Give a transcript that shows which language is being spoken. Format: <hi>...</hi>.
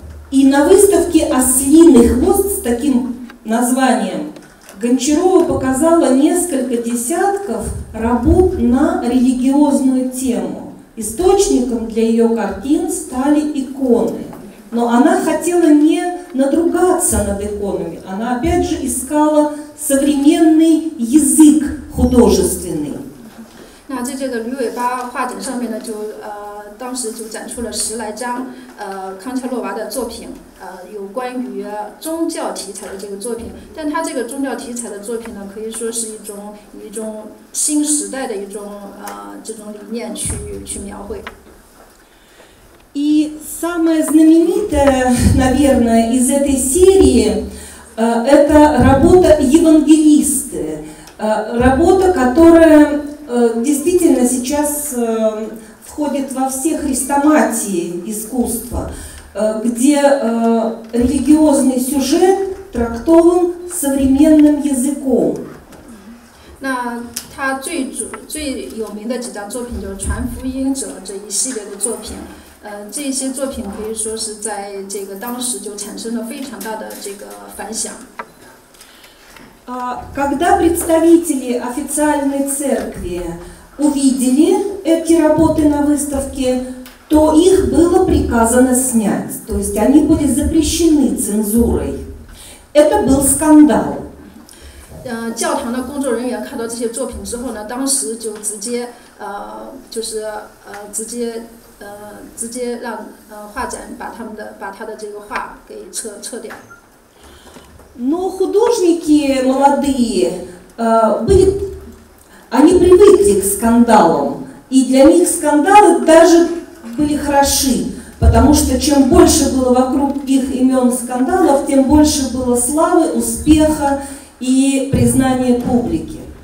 <ru>И на выставке «Ослиный хвост» с таким названием Гончарова показала несколько десятков работ на религиозную тему. Источником для ее картин стали иконы. Но она хотела не надругаться над иконами. Она опять же искала современный язык художественный.</ru> <zh>那在这个驴尾巴画展上面呢，就当时就展出了十来张康乔洛娃的作品，有关于宗教题材的这个作品。但他这个宗教题材的作品呢，可以说是一种新时代的一种这种理念去描绘。</zh> <ru>И самое знаменитое, наверное, из этой серии это работа Евангелисты, работа, которая действительно сейчас входит во все хрестоматии искусства, где религиозный сюжет трактован современным языком.</ru> <zh>那他最有名的几张作品就是传福音者这一系列的作品，这些作品可以说是在这个当时就产生了非常大的这个反响。</zh> <ru>Когда представители официальной церкви увидели эти работы на выставке, то их было приказано снять. То есть они были запрещены цензурой. Это был скандал.</ru> <zh>教堂的工作人员看到这些作品之后呢，当时就直接让画展把他的这个画给撤掉。</zh> <ru>Но художники молодые, они привыкли к скандалам, и для них скандалы даже были хороши, потому что чем больше было вокруг их имен скандалов, тем больше было славы, успеха и признания публики.</ru>